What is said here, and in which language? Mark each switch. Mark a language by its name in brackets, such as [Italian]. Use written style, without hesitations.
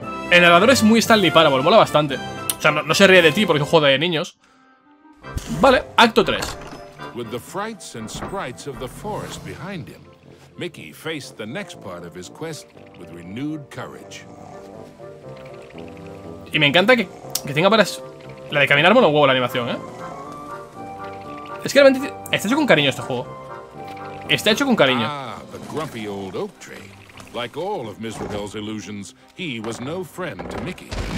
[Spanish] El narrador es muy Stanley Parable, mola bastante. O sea, no se ríe de ti porque es un juego de niños. Vale, acto 3. [English] With the frights and sprites of the forest behind him, Mickey faced the next part of his quest with renewed courage. [Spanish] Y me encanta que tenga varias. La de caminar mono huevo la animación, ¿eh? Es que realmente está hecho con cariño este juego. Está hecho con cariño. [English] Ah, the grumpy old oak tree. Like all of Mizrabel's illusions, he was no friend to Mickey.